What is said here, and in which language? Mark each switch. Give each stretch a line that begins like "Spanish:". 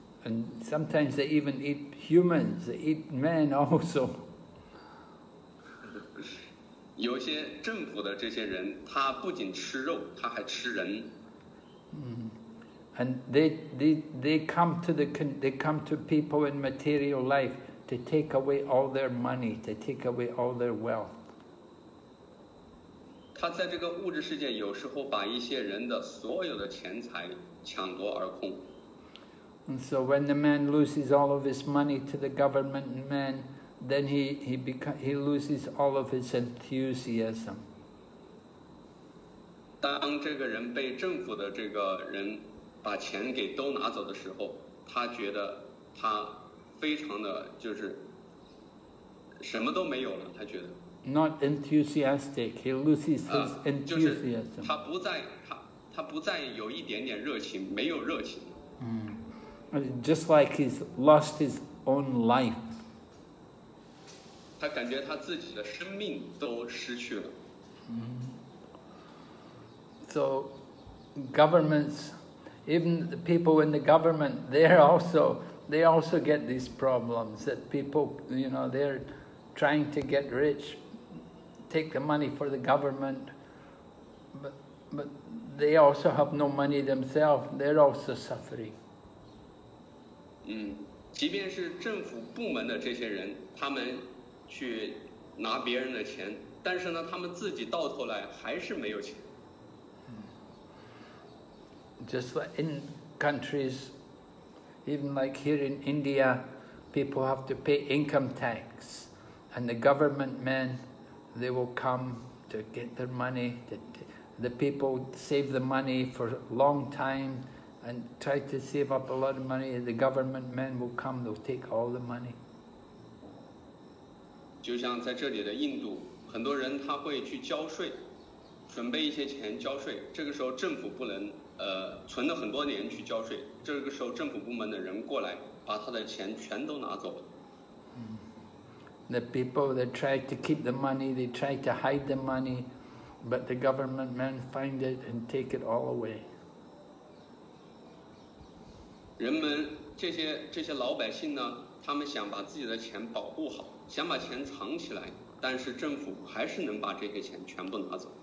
English: And sometimes they even eat humans, they eat men also.
Chinese: 有些政府的这些人，他不仅吃肉，他还吃人。
English: And they come to people in material life to take away all their money, to take away all their wealth.
Chinese: 他在这个物质世界有时候把一些人的所有的钱财抢夺而空。
English: And so when the man loses all of his money to the government man, then he loses all of his enthusiasm.
Chinese: 当这个人被政府的这个人把钱给都拿走的时候，他觉得他非常的就是什么都没有了，他觉得。
English: Not enthusiastic, he loses his enthusiasm.
Chinese: 就是他不再有一点点热情，没有热情。
English: Just like he's lost his own life.
Chinese: 他感觉他自己的生命都失去了。
English: So, governments, even the people in the government, they also get these problems that people, you know, they're trying to get rich, take the money for the government, but they also have no money themselves, they're also suffering.
Chinese: 即便是政府部门的这些人，他们去拿别人的钱，但是呢，他们自己到头来还是没有钱。
English: Just like in countries, even like here in India, people have to pay income tax, and the government men, they will come to get their money. The people save the money for a long time. And try to save up a lot of money, and the government men will come, they'll take all the money.
Chinese: 就像在这里的印度，很多人他会去交税，准备一些钱交税。这个时候政府不能，存了很多年去交税。这个时候政府部门的人过来，把他的钱全都拿走了。
English: The people, they try to keep the money, they try to hide the money, but the government men find it and take it all away.
Chinese: 人们这些老百姓呢，他们想把自己的钱保护好，想把钱藏起来，但是政府还是能把这些钱全部拿走。